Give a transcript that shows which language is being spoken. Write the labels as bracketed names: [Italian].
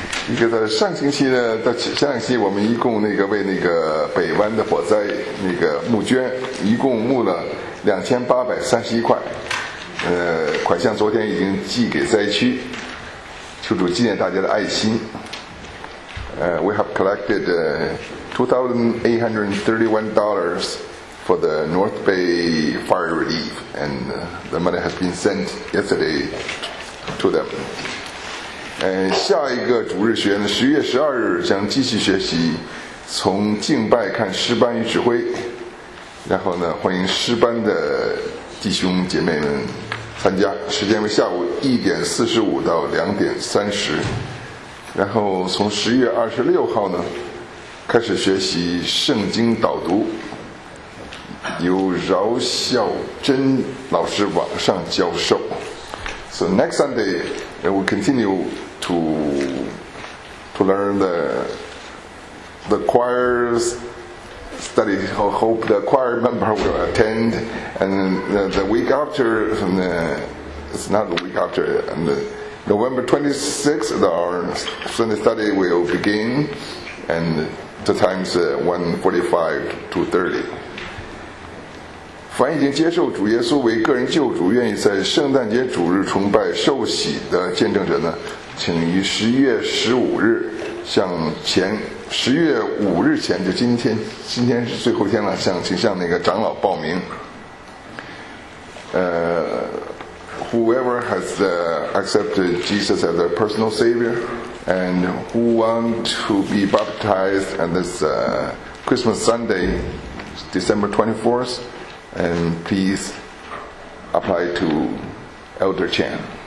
[Chinese] 一个在上星期呢，在前两星期我们一共那个为那个北湾的火灾那个募捐，一共募了2831块，款项昨天已经寄给灾区，求主纪念大家的爱心。 [English] We have collected $2,831 for the North Bay Fire Relief, and the money has been sent yesterday to them. [Chinese] 下一个主日学呢，10月12日将继续学习，从敬拜看诗班与指挥。然后呢，欢迎诗班的弟兄姐妹们参加，时间为下午1:45到2:30。然后从10月26号呢，开始学习圣经导读，由饶孝珍老师网上教授。 [English] So next Sunday, we will continue to learn the choirs. Study. Hope the choir member will attend, and the week after, it's not the week after. And November 26th, our Sunday study will begin, and the time is 1:45 to 2:30. [Chinese] 凡已经接受主耶稣为个人救主，愿意在圣诞节主日崇拜受洗的见证者呢，请于10月15日向前。 10月5日前，就今天是最后一天了，请向那个长老报名。 [English] whoever has accepted Jesus as their personal savior and who want to be baptized on this Christmas Sunday, December 24th, and please apply to Elder Chan.